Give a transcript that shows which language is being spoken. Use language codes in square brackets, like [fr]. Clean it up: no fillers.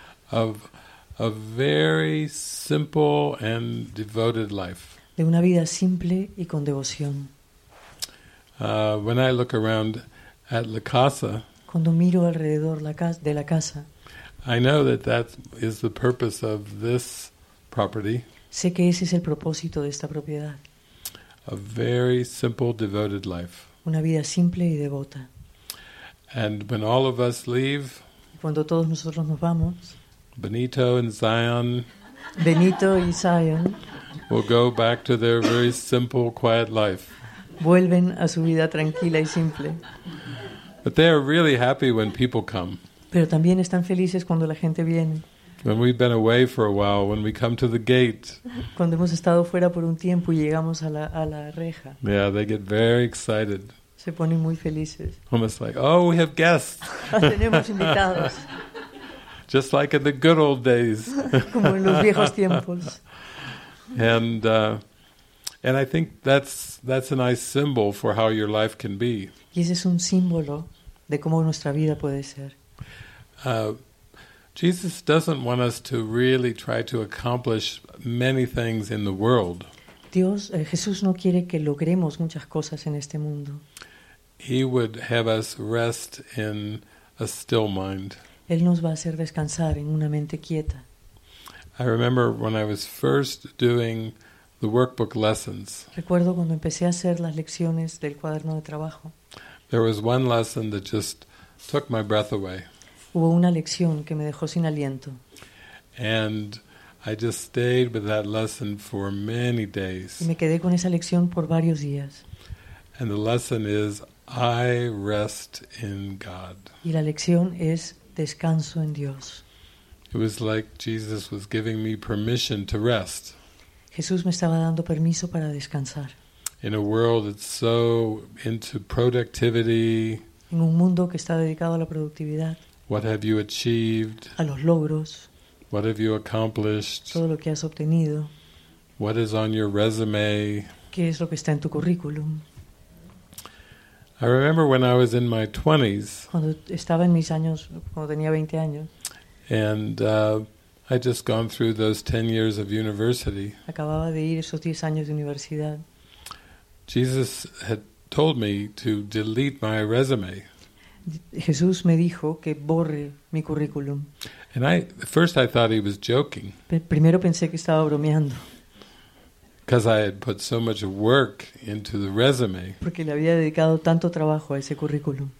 [en] Of a very simple and devoted life. [es] De una vida simple y con devoción. [en] When I look around at [es] la casa, cuando miro alrededor de la casa, [en] I know that that is the purpose of this property. [es] Sé que ese es el propósito de esta propiedad. [en] A very simple, devoted life. [es] Una vida simple y devota. [en] And when all of us leave, [es] cuando todos nosotros nos vamos, [en] Benito and Zion, [es] Benito y Zion, [en] will go back to their very simple, quiet life. [es] Vuelven a su vida tranquila y simple. [en] But they are really happy when people come. [es] Pero también están felices cuando la gente viene. [en] When we've been away for a while, when we come to the gate. [es] Cuando hemos estado fuera por un tiempo y llegamos a la reja. [en] Yeah, they get very excited. [es] Se ponen muy felices. [en] Almost like, oh, we have guests. [es] Tenemos invitados. [en] Just like in the good old days. [es] Como en los viejos tiempos. [en] And I think that's a nice symbol for how your life can be. [es] Y ese es un símbolo de cómo nuestra vida puede ser. [en] Jesus doesn't want us to really try to accomplish many things in the world. [es] Jesús no quiere que logremos muchas cosas en este mundo. [en] He would have us rest in a still mind. [es] Él nos va a hacer descansar en una mente quieta. [en] I remember when I was first doing the workbook lessons. [es] Recuerdo cuando empecé a hacer las lecciones del cuaderno de trabajo. [en] There was one lesson that just took my breath away. [es] Hubo una lección que me dejó sin aliento. [en] And I just stayed with that lesson for many days. [es] Y me quedé con esa lección por varios días. [en] And the lesson is, I rest in God. [es] Y la lección es, descanso en Dios. [en] It was like Jesus was giving me permission to rest. [es] Jesús me estaba dando permiso para descansar. [en] In a world that's so into productivity. [es] En un mundo que está dedicado a la productividad. [en] What have you achieved? [es] A los logros. [en] What have you accomplished? [es] Todo lo que has obtenido. [en] What is on your resume? [es] ¿Qué es lo que está en tu currículum? [en] I remember when I was in my 20s. [es] Cuando estaba en mis años, cuando tenía 20 años. [en] And I'd just gone through those 10 years of university. [es] Acababa de ir esos 10 años de universidad. [en] Jesus had told me to delete my resume. [es] Jesús me dijo que borre mi currículum. [en] And I, at first I thought he was joking. [es] Primero pensé que estaba bromeando. [en] Because I had put so much work into the resume. [es] Porque le había dedicado tanto trabajo a ese currículum.